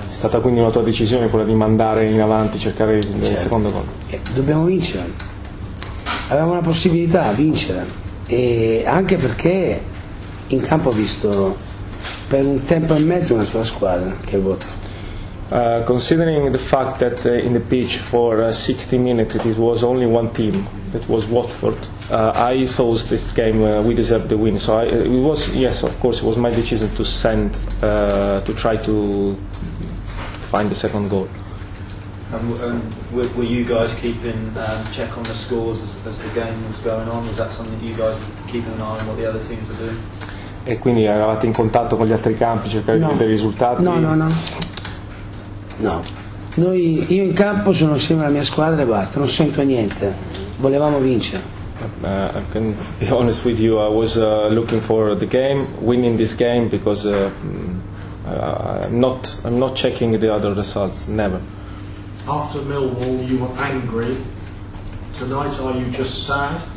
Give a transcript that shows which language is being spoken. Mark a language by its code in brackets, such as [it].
[it] È stata quindi una tua decisione quella di mandare in avanti, cercare il secondo gol. Dobbiamo vincere. Avevamo una possibilità a vincere, e anche perché in campo ho visto per un tempo e mezzo una sola squadra, che è il Watford. [en] Considering the fact that in the pitch for 60 minutes it was only one team, that was Watford, I thought this game we deserved the win. So it was my decision to send, to try to find the second goal. And were you guys keeping check on the scores as the game was going on? Was that something that you guys were keeping an eye on what the other teams were doing? [it] E quindi eravate in contatto con gli altri campi cercando di vedere i risultati? No. Io in campo sono sempre la mia squadra e basta, non sento niente. Volevamo vincere. [en] I can be honest with you, I was looking for the game, winning this game, because I'm not checking the other results, never. After Millwall you were angry. Tonight are you just sad?